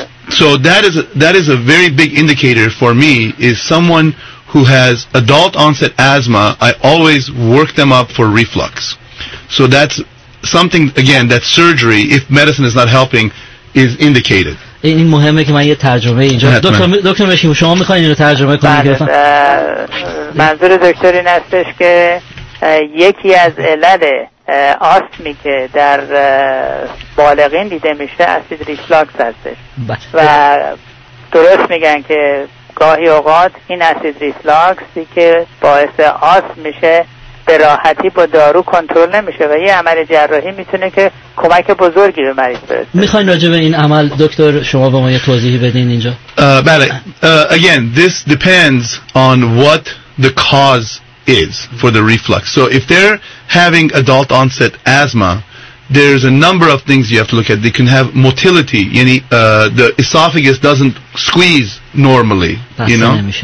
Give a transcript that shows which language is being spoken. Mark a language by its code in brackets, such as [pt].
[en] So that is a very big indicator for me. Is someone who has adult onset asthma, I always work them up for reflux. So that's something, again, that surgery, if medicine is not helping, is indicated. [fa] این مهمه که من یه ترجمه اینجا دکتر بشیم، شما میخواین رو ترجمه کنیم؟ بله. منظور دکتر این استش که یکی از علل آستمی که در بالغین دیده میشه اسید ریفلاکس هستش. و درست میگن که گاهی اوقات این اسید ریفلاکسی که باعث آستم میشه به راحتی با دارو کنترل نمیشه و یه عمل جراحی میتونه که کمک بزرگی به مریض برسه. میخواین راجع به این عمل دکتر شما به ما یه توضیحی بدین اینجا؟ بله. [en] Again, this depends on what the cause is for the reflux. So if they're having adult onset asthma, there's a number of things you have to look at. They can have motility, [fa] yani [en] the esophagus doesn't squeeze normally, you know.